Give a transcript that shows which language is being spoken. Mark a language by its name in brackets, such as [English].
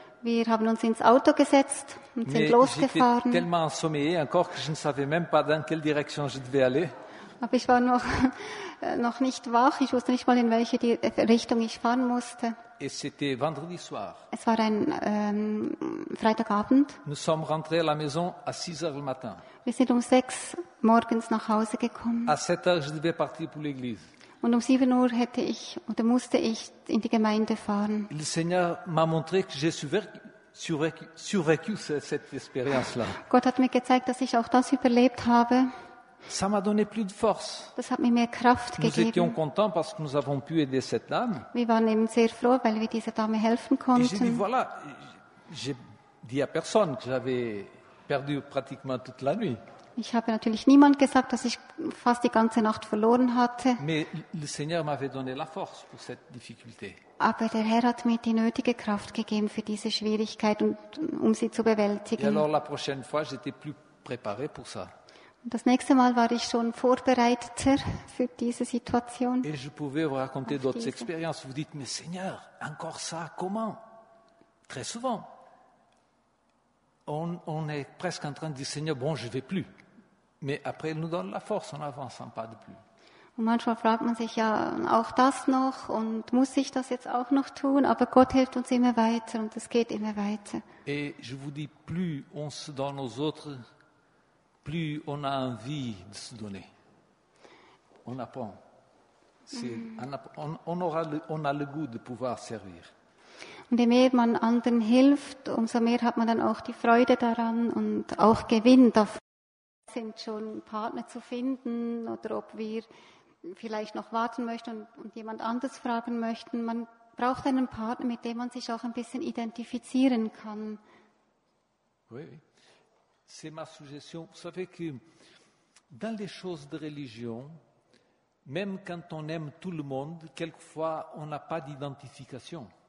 [German] Wir haben uns ins Auto gesetzt und sind losgefahren. [French] Tellement assommé encore que je ne savais même pas dans quelle direction je devais aller. [German] Aber ich war noch nicht wach. Ich wusste nicht mal, in welche Richtung ich fahren musste. [French] Et c'était vendredi soir. [German] Es war ein Freitagabend. [French] Nous sommes rentrés à la maison à 6h le matin. [German] Wir sind 6 morgens nach Hause gekommen. [French] À 7h, je devais partir pour l'église. [German] Und 7 Uhr hätte ich oder musste ich in die Gemeinde fahren. [French] Le Seigneur m'a montré que j'ai survécu cette expérience-là. [German] Gott hat mir gezeigt, dass ich auch das überlebt habe. [French] Ça m'a donné plus de force. [German] Das hat mir mehr Kraft gegeben. [French] Nous étions contents parce que nous avons pu aider cette dame. [German] Wir waren eben sehr froh, weil wir dieser Dame helfen konnten. [French] Et j'ai dit à personne que j'avais perdu pratiquement toute la nuit. [German] Ich habe natürlich niemand gesagt, dass ich fast die ganze Nacht verloren hatte. [French] Mais le Seigneur m'avait donné la force pour cette difficulté. [German] Aber der Herr hat mir die nötige Kraft gegeben für diese Schwierigkeit und sie zu bewältigen. [French] Et alors la prochaine fois, j'étais plus préparé pour ça. [German] Das nächste Mal war ich schon vorbereiteter für diese Situation. [French] Et je pouvais vous raconter d'autres expériences. Vous dites, mais Seigneur, encore ça, comment? Très souvent, on est presque en train de dire, Seigneur, bon, je ne vais plus. Mais après, il nous donne la force, on avance un pas de plus. [German] Und manchmal fragt man sich ja auch das noch und muss ich das jetzt auch noch tun, aber Gott hilft uns immer weiter und es geht immer weiter. [French] Et je vous dis, plus on se donne aux autres, plus on a envie de se donner. On apprend. On a le goût de pouvoir servir. [German] Und je mehr man anderen hilft, umso mehr hat man dann auch die Freude daran und auch Gewinn davon, sind schon Partner zu finden oder ob wir vielleicht noch warten möchten und jemand anders fragen möchten. Man braucht einen Partner, mit dem man sich auch ein bisschen identifizieren kann. [French] Oui, oui. C'est ma suggestion. Vous savez que dans les choses de religion, même quand on aime tout le monde, quelquefois on n'a pas d'identification.